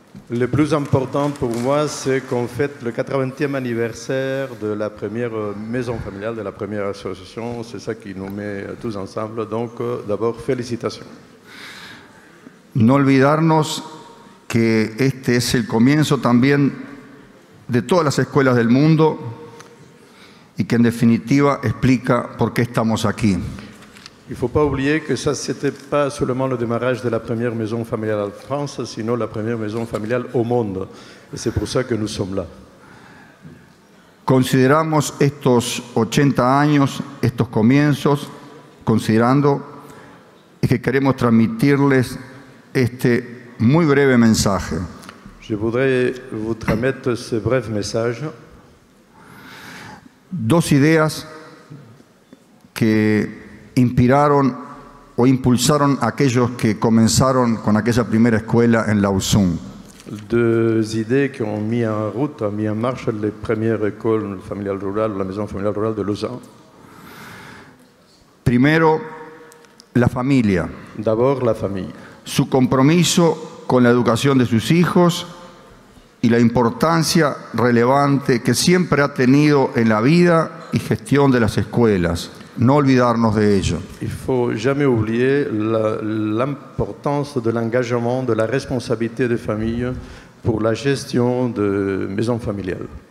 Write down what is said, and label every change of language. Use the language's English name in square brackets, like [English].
[French] Le plus important pour moi, c'est qu'on fête le 80e anniversaire de la première maison familiale, de la première association. C'est ça qui nous met tous ensemble. Donc, d'abord, félicitations. [Spanish] No olvidarnos que este es el comienzo también de todas las escuelas del mundo y que, en definitiva, explica por qué estamos aquí. [French] Il ne faut pas oublier que ça, ce n'était pas seulement le démarrage de la première maison familiale en France, sinon la première maison familiale au monde. Et c'est pour ça que nous sommes là. [Spanish] Consideramos estos 80 años, estos comienzos, considerando que queremos transmitirles este muy breve mensaje. [French] Je voudrais vous transmettre ce bref message. [Spanish] Dos ideas que inspiraron o impulsaron a aquellos que comenzaron con aquella primera escuela en Lausanne. [French] Deux idées qui ont mis en route, ont mis en marche les premières écoles familiales rurales, la maison familiale rurale de Lausanne. [Spanish] Primero, la familia. [French] D'abord, la famille. [Spanish] Su compromiso con la educación de sus hijos y la importancia relevante que siempre ha tenido en la vida y gestión de las escuelas. No olvidarnos de ello. [French] Il faut jamais oublier l'importance de l'engagement, de la responsabilité des familles pour la gestion de maisons familiales.